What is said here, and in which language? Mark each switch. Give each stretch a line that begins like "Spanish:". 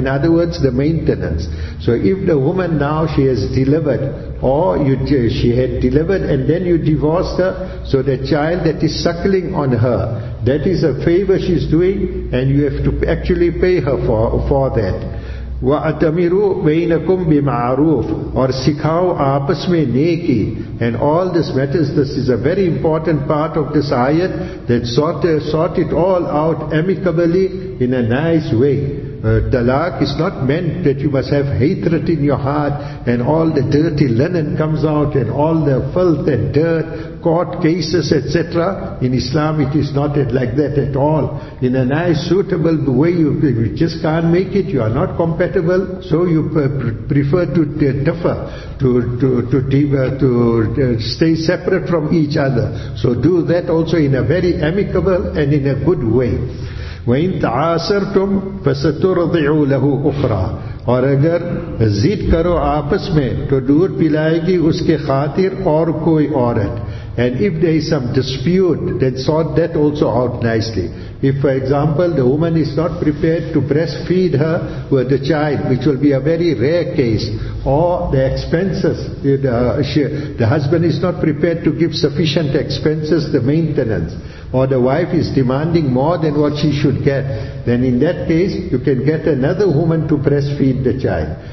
English: In other words, the maintenance. So if the woman now, she has delivered, or she had delivered and then you divorced her, so the child that is suckling on her, that is a favor she's doing, and you have to actually pay her for that.
Arabic: وَأَتَمِرُوا بَيْنَكُمْ بِمَعَرُوفٍ
Urdu: اور سکھاؤ آپس میں نیکی.
English: And all these matters, this is a very important part of this ayat, that sort it all out amicably in a nice way. Talaq is not meant that you must have hatred in your heart and all the dirty linen comes out and all the filth and dirt, court cases, etc. In Islam it is not like that at all. In a nice suitable way, you just can't make it, you are not compatible, so you prefer to differ, to stay separate from each other. So do that also in a very amicable and in a good way.
Arabic: وَإِن تَعَاسَرْتُمْ فَسَتُرْضِعُوا لَهُ أُخْرَى
Urdu: اور اگر ضد کرو آپس میں تو دودھ پلائے گی اس کے خاطر اور کوئی عورت.
English: And if there is some dispute, then sort that also out nicely. If, for example, the woman is not prepared to breastfeed her with the child, which will be a very rare case, or the expenses, the husband is not prepared to give sufficient expenses, the maintenance, or the wife is demanding more than what she should get, then in that case, you can get another woman to breastfeed the child.